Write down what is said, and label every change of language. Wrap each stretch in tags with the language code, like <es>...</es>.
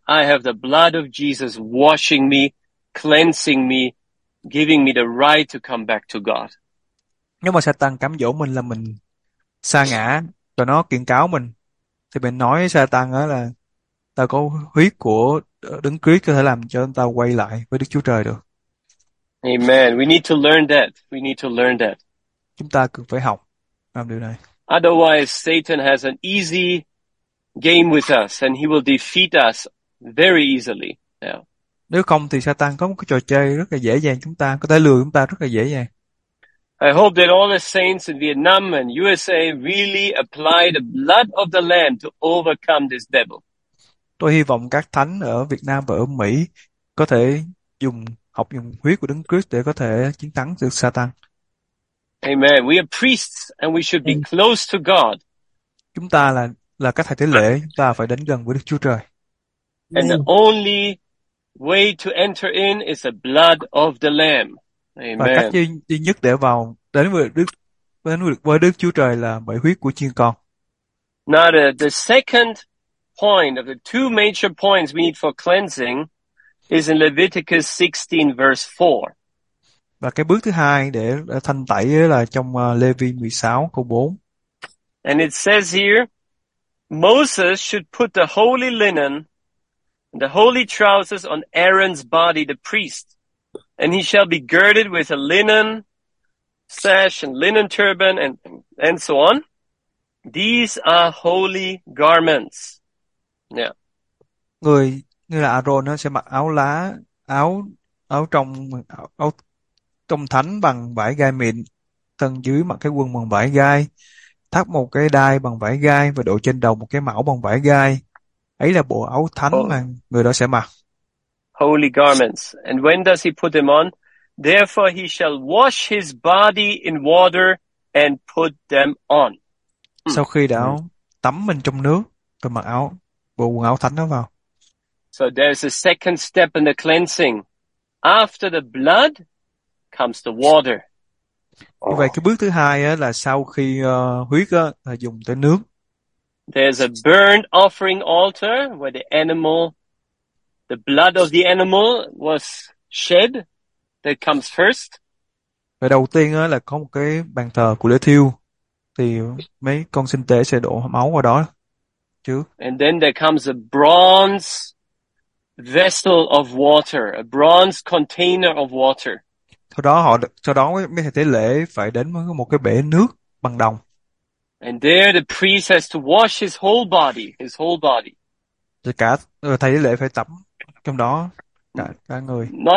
<en>I have the blood of Jesus washing me, cleansing me, giving me the right to come back to God."</en> <vi>Nếu mà Satan cám dỗ mình là mình sa ngã và nó kiện cáo mình, thì mình nói với Satan đó là ta có huyết của Đấng Christ có thể làm cho ta quay lại với Đức Chúa Trời được.</vi> <en>Amen. We need to learn that. We need to learn that.</en> <vi>Chúng ta cần phải học làm điều này.</vi> <en>Otherwise, Satan has an easy game with us and he will defeat us very easily. Yeah.</en> <vi>Nếu không thì Satan có một cái trò chơi rất là dễ dàng, chúng ta có thể lừa chúng ta rất là dễ dàng.</vi> <en>I hope that all the saints in Vietnam and USA really apply the blood of the Lamb to overcome this devil.</en> <vi>Tôi hy vọng các thánh ở Việt Nam và ở Mỹ có thể học dùng huyết của Đấng Christ để có thể chiến thắng được Satan.</vi> <en>Amen. We are priests and we should be close to God.</en> <vi>Chúng ta là các thầy tế lễ, chúng ta phải đến gần với Đức Chúa Trời.</vi> <en>And the only way to enter in is the blood of the Lamb. Amen.</en> <vi>Và cách duy nhất để vào đến với Đức Chúa Trời là bởi huyết của chiên con.</vi> <en>Now the second point of the two major points we need for cleansing is in Leviticus 16 verse 4.</en> <vi>Và cái bước thứ hai để thanh tẩy là trong Lê Vi 16 câu 4.</vi> <en>And it says here, Moses should put the holy linen, the holy trousers on Aaron's body, the priest, and he shall be girded with a linen sash and linen turban and so on. These are holy garments. Yeah.</en> <vi>Người là Aaron sẽ mặc áo lá, áo trong áo trong thánh bằng vải gai mịn, thân dưới mặc cái quần bằng vải gai, thắt một cái đai bằng vải gai và đội trên đầu một cái mão bằng vải gai. Ấy là bộ áo thánh mà người đó sẽ mặc.</vi> <en>Holy garments. And when does he put them on? Therefore he shall wash his body in water and put them on.</en> <vi>Sau khi đã tắm mình trong nước rồi mặc áo bộ quần áo thánh đó vào.</vi> <en>So there's a second step in the cleansing. After the blood comes the water.</en> <vi>Như vậy cái bước thứ hai á là sau khi huyết á là dùng tới nước.</vi> <en>There's a burnt offering altar where the animal, the blood of the animal was shed. That comes first.</en> <vi>Và đầu tiên á là có một cái bàn thờ của lễ thiêu, thì mấy con sinh tế sẽ đổ máu vào đó trước.</vi> <en>And then there comes a bronze vessel of water, a bronze container of water.</en> <vi>Sau đó mấy thầy tế lễ phải đến một cái bể nước bằng đồng.</vi> <en>And there the priest has to wash his whole body, his whole body.</en> <vi>Rồi cả thầy tế lễ phải tắm trong đó cả người.</vi>